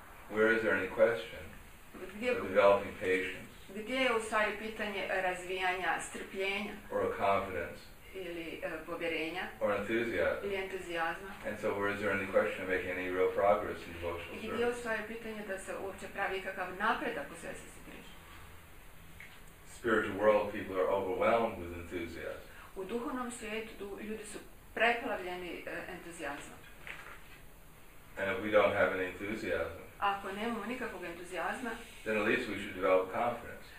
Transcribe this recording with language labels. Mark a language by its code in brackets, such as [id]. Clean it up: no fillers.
[en] Where is there any question of developing patience? [hr] Gdje je u stvari pitanje razvijanja strpljenja? [en] Or a confidence? [hr] Ili povjerenja? [en] Or enthusiasm? [hr] Ili entuzijazma? [en] And so, where is there any question of making any real progress in devotional service? [hr] Gdje je u stvari pitanje da se uopće pravi kakav napredak u svjesnosti? [en] Spiritual world people are overwhelmed with enthusiasm. [hr] U duhovnom svijetu ljudi su preplavljeni entuzijazmom. [en] And if we don't have any enthusiasm. [hr] ako nemamo nikakvog entuzijazma, [en] then at least we should develop confidence.